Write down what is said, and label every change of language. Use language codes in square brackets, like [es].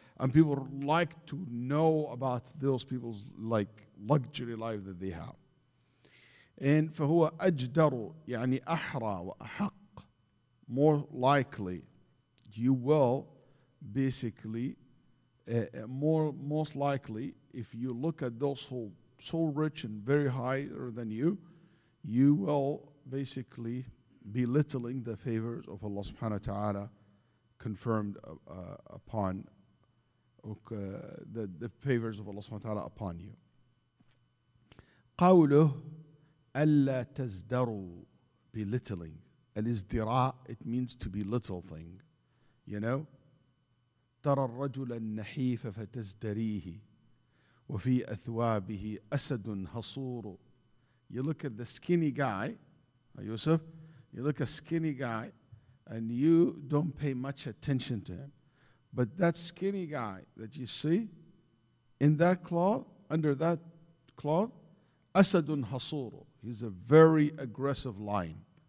[en] And people like to know about those people's, like, luxury life that they have. [ar] And فهو أجدر يعني أحرى وأحق. [en] More likely, you will basically most likely, if you look at those who so rich and very higher than you, you will basically belittling the favors of Allah subhanahu wa ta'ala confirmed upon the favors of Allah subhanahu wa ta'ala upon you. [ar] قوله ألا تزدروا belittling. الازدراء, it means to belittle thing. [en] You know? [ar] ترى الرجل النحيف فتزدريه وفي أثوابه أسد هصور. [en] You look at the skinny guy, Yusuf, you look at a skinny guy and you don't pay much attention to him. But that skinny guy that you see in that cloth, under that cloth, Asadun Hasur, he's a very aggressive lion.